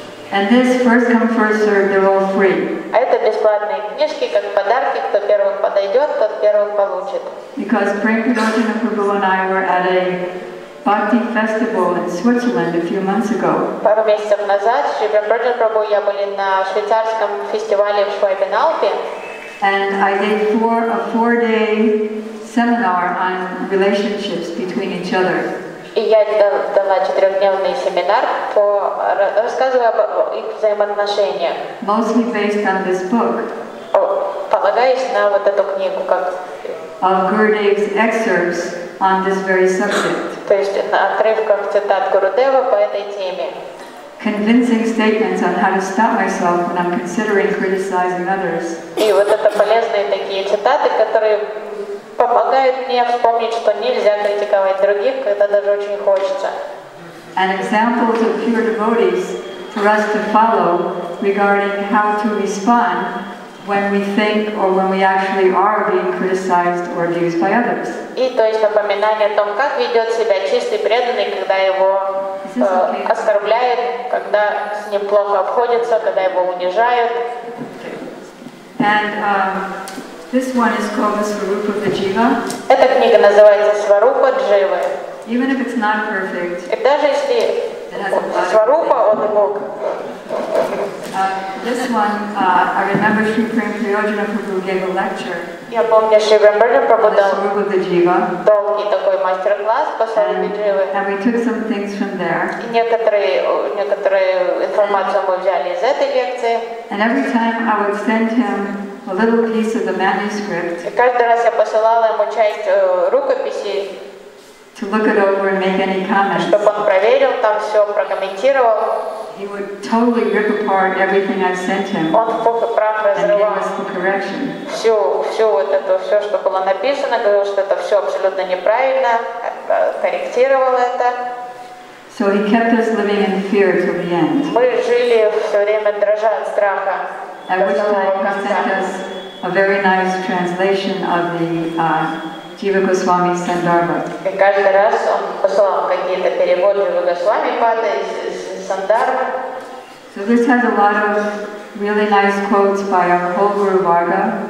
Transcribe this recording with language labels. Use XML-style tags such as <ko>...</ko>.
<en>And this first come first serve, they're all free.</en> <ru>А это бесплатные книжки как подарки, кто первым подойдет, тот первым получит.</ru> <en>Because Prabhupada Prabhu and I were at a Bhakti festival in Switzerland a few months ago.</en> <ru>Пару месяцев назад Шри Браджан Прабху я были на швейцарском фестивале в Швейцарии.</ru> <en>And I did a four-day seminar on relationships between each other.</en> <ru>И я дала четырехдневный семинар по рассказу об их взаимоотношениях.</ru> <en>Mostly based on this book.</en> <ru>Полагаясь на вот эту книгу, как.</ru> <en>Of Gurudev's excerpts on this very subject.</en> <ru>То есть на отрывках цитат Гурудева по этой теме.</ru> <en>Convincing statements on how to stop myself when I'm considering criticizing others.</en> <ru>И вот это полезные такие цитаты, которые помогают мне вспомнить, что нельзя критиковать других, когда даже очень хочется.</ru> <en>And examples of pure devotees for us to follow regarding how to respond when we think or when we actually are being criticized or abused by others.</en> <ru>И то есть напоминание о том, как ведет себя чистый преданный, когда его оскорбляют, когда с ним плохо обходятся, когда его унижают.</ru> <en>And this one is called the Svarupa Jiva.</en> <ru>Эта книга называется Сварупа Дживы.</ru> <en>Even if it's not perfect.</en> <ru>И даже если Сварупа, он мог.</ru> <en>This one, I remember Sri Prem Priyojana Prabhu gave a lecture.</en> <ru>Я помню, Шри Прамбарджа Прабху дал долгий такой мастер-класс по Сварупа Дживы.</ru> <en>And we took some things from there.</en> <ru>И некоторые информацию мы взяли из этой лекции.</ru> <en>And every time I would send him a little piece of the manuscript.</en> <ru>И каждый раз я посылала ему часть рукописи.</ru> <en>To look it over and make any comments.</en> <ru>Чтобы он проверил там все, прокомментировал.</ru> <en>He would totally rip apart everything I sent him.</en> <ru>Он просто прав разрывал.</ru> <en>And give us the correction.</en> <ru>Все вот это все, что было написано, говорил, что это все абсолютно неправильно, корректировал это.</ru> <en>So he kept us living in fear till the end.</en> <ru>Мы жили все время дрожа от страха.</ru> <en>At which time he sent us a very nice translation of the Jiva Goswami Sandarbha.</en> <ru>И каждый раз он посылал какие-то переводы Jiva Goswami Pada из Сандарбха.</ru> <en>So this has a lot of really nice quotes by our whole Guru Varga.</en>